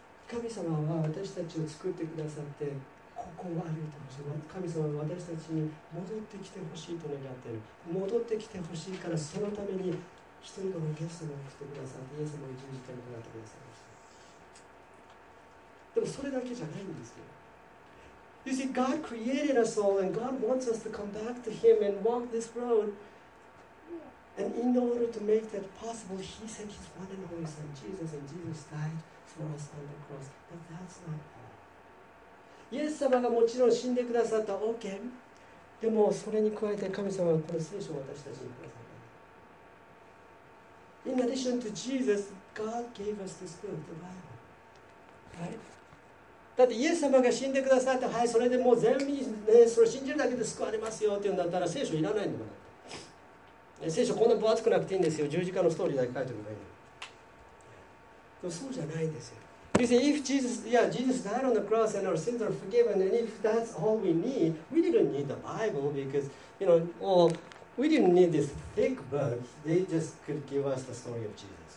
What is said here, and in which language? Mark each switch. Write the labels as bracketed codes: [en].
[ja] 神様は私たちを作ってくださって、ここを歩いてほしい。神様は私たちに戻ってきてほしいと願っている。戻ってきてほしいから、そのために一人のイエス様が来てくださって、イエス様を一日から願ってくださいました。でもそれだけじゃないんですよ。 [en] You see, God created us all and God wants us to come back to Him and walk this road. And in order to make that possible, He sent His one and only Son, Jesus, and Jesus died for us on the cross. But that's not all. [ja] イエス様がもちろん死んでくださった OK でもそれに加えて神様はこの聖書を私たちにくださった [en] In addition to Jesus God gave us this book, the Bible、right? [ja] だってイエス様が死んでくださってはいそれでもう全員、ね、それ信じるだけで救われますよって言うんだったら聖書いらないんだから聖書こんな分厚くなくていいんですよ十字架のストーリーだけ書いておけばいいのでもそうじゃないんですよ [en] You see, if Jesus, Jesus died on the cross and our sins are forgiven, and if that's all we didn't need the Bible because, you know, well, we didn't need this thick book. They just could give us the story of Jesus.